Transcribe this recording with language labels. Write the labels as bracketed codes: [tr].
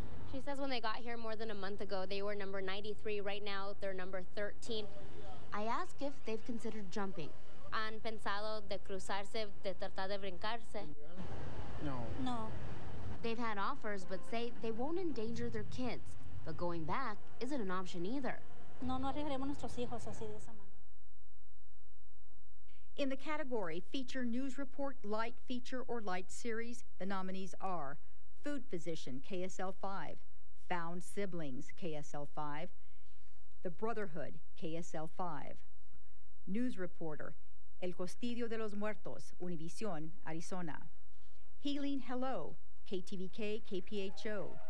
[en] She says when they got here more than a month ago, they were number 93. Right now, they're number 13. I ask if they've considered jumping. [es] Han pensado de cruzarse, de tratar de brincarse. No. No. [en] They've had offers, but say they won't endanger their kids. But going back isn't an option either. [es] No, no arriesgaremos nuestros hijos así de esa manera. [en] In the category feature news report, light feature, or light series, the nominees are food physician, KSL-5, found siblings, KSL-5, the brotherhood, KSL-5, news reporter, El Costillo de los Muertos, Univision, Arizona, Healing Hello, KTVK, KPHO.